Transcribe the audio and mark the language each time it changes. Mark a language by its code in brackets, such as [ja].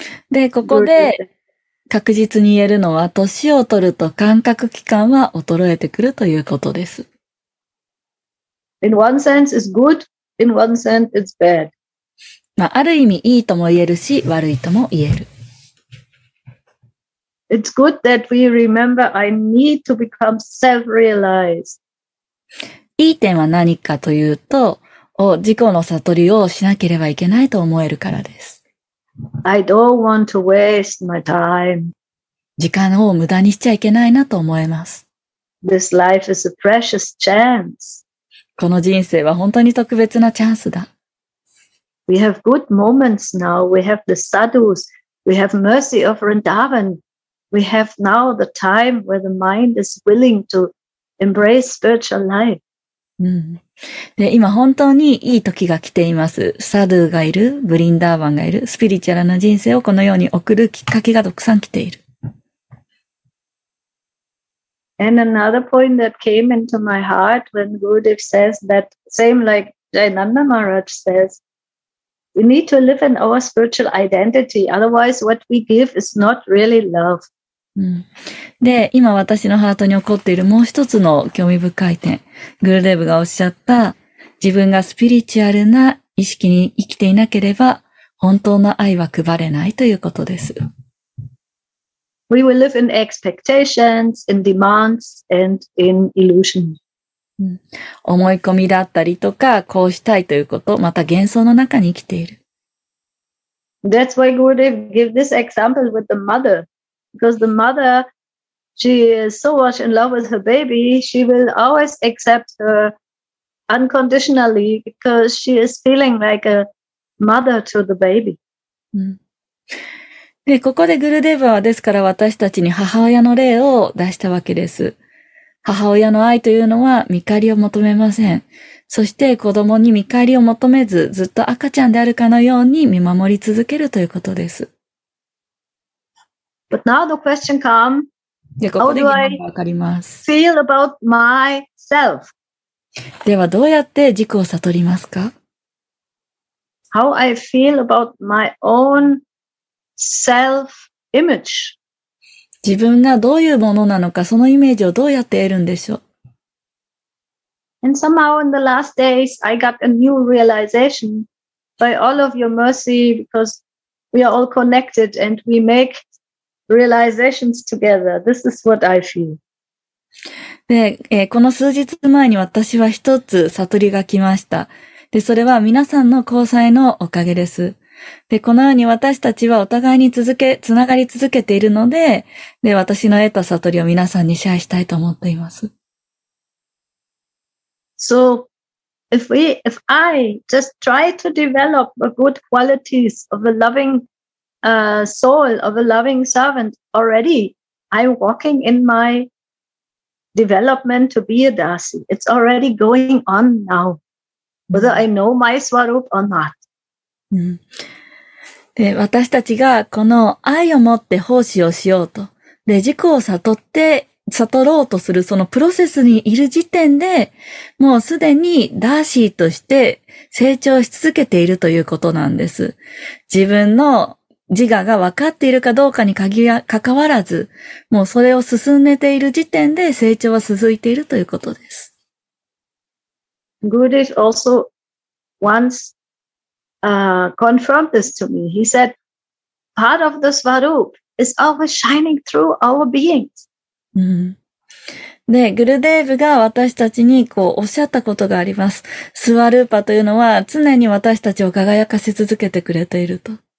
[ja] で、ここで確実に言えるのは、年を取ると感覚器官は衰えてくるということです。 [en] In one sense it's good, in one sense it's bad. [ja] まあ、ある意味いいとも言えるし、悪いとも言える。 [en] It's good that we remember I need to become self-realized. [ja] いい点は何かというと、自己の悟りをしなければいけないと思えるからです。 [en] I don't want to waste my time. [ja] 時間を無駄にしちゃいけないなと思えます。 [en] This life is a precious chance. [ja] この人生は本当に特別なチャンスだ。 [en] We have good moments now. We have the sadhus. We have mercy of Vrindavan. We have now the time where the mind is willing to embrace spiritual life.、 [ja] で、今本当にいい時が来ています。サドゥがいる、ブリンダーバンがいる、スピリチュアルな人生をこのように送るきっかけがたくさん来ている。 [en] And another point that came into my heart when Gurudev says that, same like Jayananda Maharaj says,We need to live in our spiritual identity. Otherwise, what we give is not really love.、 [ja] で、今私のハートに起こっているもう一つの興味深い点。グルデーブがおっしゃった、自分がスピリチュアルな意識に生きていなければ、本当の愛は配れないということです。 [en] We will live in expectations, in demands, and in illusion. [ja] 思い込みだったりとか、こうしたいということ、また幻想の中に生きている。 [en] That's why Gurudev gave this example with the mother. Because the mother, she is so much in love with her baby, she will always accept her unconditionally because she is feeling like a mother to the baby.、 [ja] で、ここでグルデーヴはですから私たちに母親の例を出したわけです。母親の愛というのは見返りを求めません。そして子供に見返りを求めず、ずっと赤ちゃんであるかのように見守り続けるということです。 [en] But now the question comes, [ja] でここで疑問が分かります。 [en] How do I feel about myself? [ja] ではどうやって自己を悟りますか? [en] How how I feel about my own self image. [ja] 自分がどういうものなのか、そのイメージをどうやって得るんでしょう。 [en] And somehow in the last days, I got a new realization by all of your mercy, because we are all connected and we make realizations together. This is what I feel. [ja] で、この数日前に私は一つ悟りが来ました。で、それは皆さんの交際のおかげです。で、このように私たちはお互いにつながり続けているので、で、私の得た悟りを皆さんにシェアしたいと思っています。 [en] So, if I just try to develop the good qualities of a loving, soul, of a loving servant already, I'm walking in my development to be a Dasi. It's already going on now, whether I know my Swarup or not. [ja] で、私たちがこの愛を持って奉仕をしようと、で、自己を悟って、悟ろうとするそのプロセスにいる時点で、もうすでにダーシーとして成長し続けているということなんです。自分の自我が分かっているかどうかに関わらず、もうそれを進めている時点で成長は続いているということです。 [en] Good is also once, confirmed this to me. He said, part of the Swarup is always shining through our beings. [ja] うん、で、グルデーブが私たちにこうおっしゃったことがあります。スワルーパというのは常に私たちを輝かせ続けてくれていると。